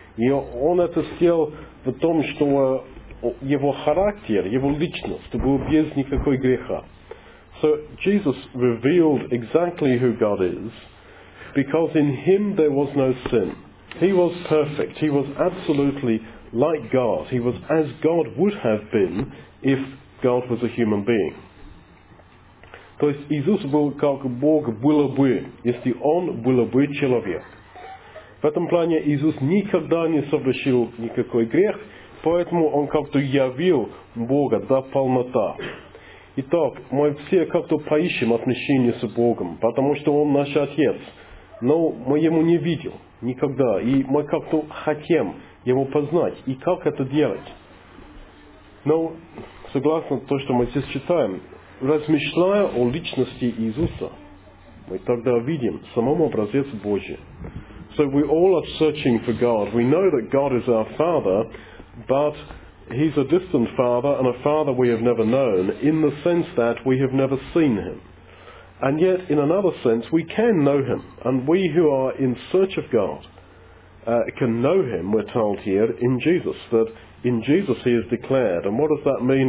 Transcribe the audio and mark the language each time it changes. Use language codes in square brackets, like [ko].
[ru] И он это сделал в том, что его характер, его личность был без никакой греха. [en] So Jesus revealed exactly who God is, because in him there was no sin. He was perfect. He was absolutely like God. He was as God would have been if God was a human being. [ru] То есть Иисус был как Бог был бы, если Он был бы человек. В этом плане Иисус никогда не совершил никакой грех, поэтому Он как-то явил Бога до полнота. Итак, мы все как-то поищем отношения с Богом, потому что Он наш Отец. Но мы Ему не видим никогда, и мы как-то хотим Его познать. И как это делать? Но, согласно то, что мы здесь читаем, размышляя о личности Иисуса, мы тогда видим самому образец Божий. [en] So we all are searching for God. We know that God is our Father, but He's a distant Father and a Father we have never known in the sense that we have never seen Him. And yet, in another sense, we can know Him. And we who are in search of God can know Him, we're told here, in Jesus, that in Jesus He is declared. And what does that mean?